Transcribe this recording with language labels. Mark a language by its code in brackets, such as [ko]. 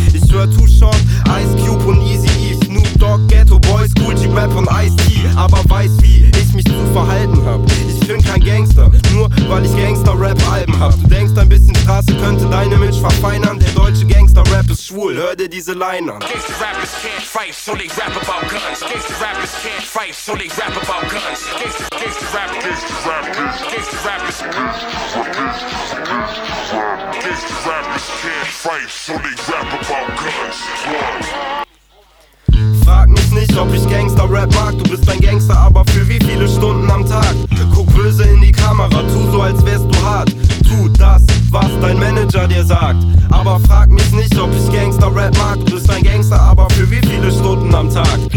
[de] Ich hör Too Short, Ice Cube und Eazy-E, Snoop Dogg, Ghetto Boys, Gucci Rap und Ice-T. Aber weiß, wie ich mich zu verhalten hab. Ich bin kein Gangster, nur weil ich Gangster-Rap-Alben hab. Du denkst, ein bisschen Straße könnte dein Image verfeinern. Der deutsche Gangster-Rap ist schwul, hör dir diese Line an. [en] Gangster-Rappers can't fight, so they rap about guns. Gangster-Rappers can't fight, so they rap about guns. Gangster-Rappers can't fight, so they rap about guns. [de] Frag mich nicht, ob ich Gangster-Rap mag. Du bist ein Gangster, aber für wie viele Stunden am Tag? Guck böse in die Kamera, tu so, als wärst du hart. Tu das, was dein Manager dir sagt. Aber frag mich nicht, ob ich Gangster-Rap mag. Du bist ein Gangster, aber für wie viele Stunden am Tag?